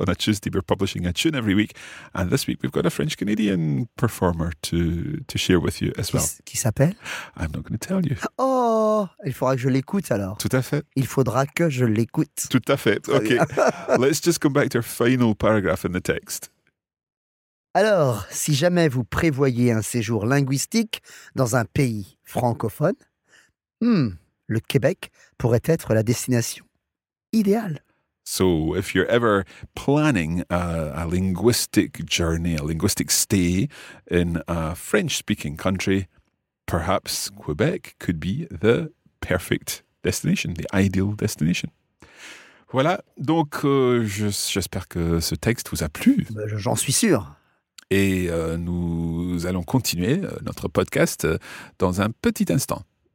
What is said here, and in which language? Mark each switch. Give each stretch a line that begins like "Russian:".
English: On a Tuesday, we're publishing a tune every week. And this week, we've got a French-Canadian performer to share with you as well.
French: Qui s'appelle?
English: I'm not going to tell you.
French: Oh, il faudra que je l'écoute alors. Tout à fait. Il faudra que je l'écoute. Tout à fait. Okay.
English: Let's just come back to our final paragraph in the text.
French: Alors, si jamais vous prévoyez un séjour linguistique dans un pays francophone, le Québec pourrait être la destination idéale.
English: So, if you're ever planning a linguistic journey, a linguistic stay in a French-speaking country, perhaps Quebec could be the perfect destination, the ideal destination.
French: Voilà, donc j'espère que ce texte vous a plu. J'en suis sûr. Et nous allons continuer notre podcast dans un petit instant.